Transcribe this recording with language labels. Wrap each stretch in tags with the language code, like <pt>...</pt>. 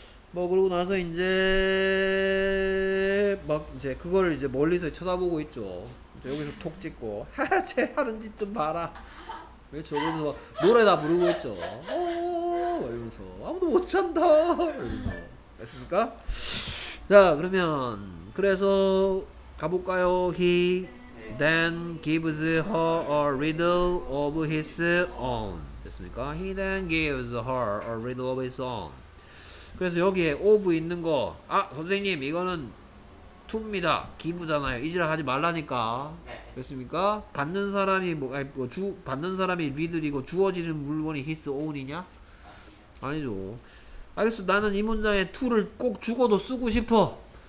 <ko>뭐, 그러고 나서 이제, 막, 이제, 그거를 이제 멀리서 쳐다보고 있죠. 이제 여기서 톡 찍고, 하하, 쟤 하는 짓 좀 봐라. 그렇죠. 그러면서 막, 노래 다 부르고 있죠. 오, 이러면서, 아무도 못 찬다. 이러면서, 됐습니까? 자, 그러면, 그래서, 가볼까요?</ko> <en>He. Then gives her a riddle of his own.</en> <ko>됐습니까?</ko> <en>He then gives her a riddle of his own.</en> <ko>그래서 여기에 of 있는 거. 아, 선생님, 이거는 to입니다. give잖아요. 이지라 하지 말라니까. 됐습니까? 받는 사람이 받는 사람이 riddle이고 주어지는 물건이 his own이냐? 아니죠. 알겠어. 나는 이 문장에 to를 꼭 죽어도 쓰고 싶어.</ko>